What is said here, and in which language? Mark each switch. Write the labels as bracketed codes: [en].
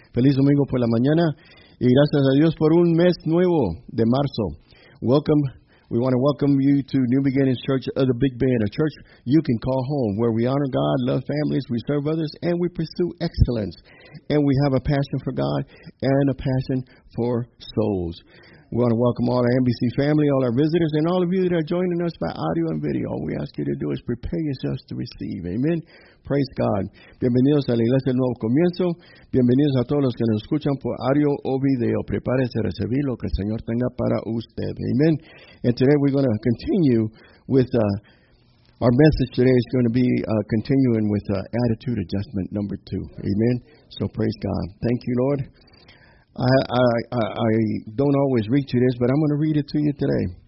[es] Feliz domingo por la mañana. Y gracias a Dios por un mes nuevo de marzo. [en] Welcome. We want to welcome you to New Beginnings Church of the Big Bend, a church you can call home, where we honor God, love families, we serve others, and we pursue excellence. And we have a passion for God and a passion for souls. We want to welcome all our NBC family, all our visitors, and all of you that are joining us by audio and video. All we ask you to do is prepare yourselves to receive. Amen. Praise God. [es] Bienvenidos a la Iglesia del Nuevo Comienzo. Bienvenidos a todos los que nos escuchan por audio o video. Prepárense a recibir lo que el Señor tenga para usted. [en] Amen. And today we're going to continue with our message today is going to be continuing with attitude adjustment number 2. Amen. So praise God. Thank you, Lord. I don't always read you this, but I'm going to read it to you today.